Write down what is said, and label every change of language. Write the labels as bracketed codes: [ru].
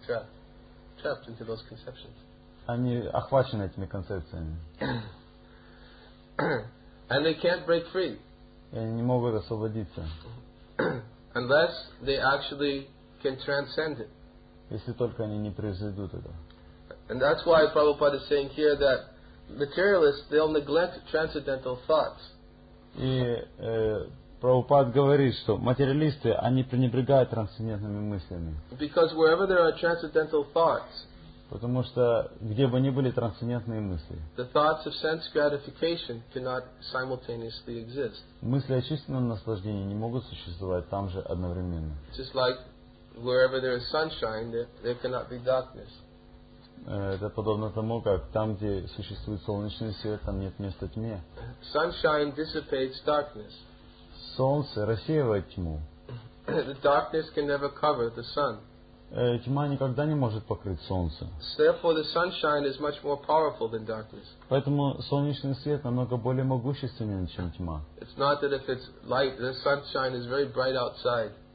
[en] trapped into those conceptions. [ru] Они охвачены этими концепциями. [en] And they can't break free. [ru] И они не могут освободиться. [en] Unless they actually can transcend it. [ru] Если только они не произойдут это. [en] And that's why Prabhupada is saying here that materialists, they'll neglect transcendental thoughts. [ru] И Прабхупад говорит, что материалисты, они пренебрегают трансцендентными мыслями. [en] Because wherever there are transcendental thoughts, [ru] потому что где бы ни были трансцендентные мысли, [en] the thoughts of sense gratification cannot simultaneously exist. [ru] Мысли о чистом наслаждении не могут существовать там же одновременно. [en] Just like wherever there is sunshine, there cannot be darkness. [ru] Это подобно тому, как там, где существует солнечный свет, там нет места тьме. [en] Sunshine dissipates darkness. [ru] Солнце рассеивает тьму. [en] The darkness can never cover the sun. [ru] тьма никогда не может покрыть солнце. [en] Therefore, the sunshine is much more powerful than darkness. [ru] Поэтому солнечный свет намного более могущественен, чем тьма. [en] It's not that if it's light, the sunshine is very bright outside.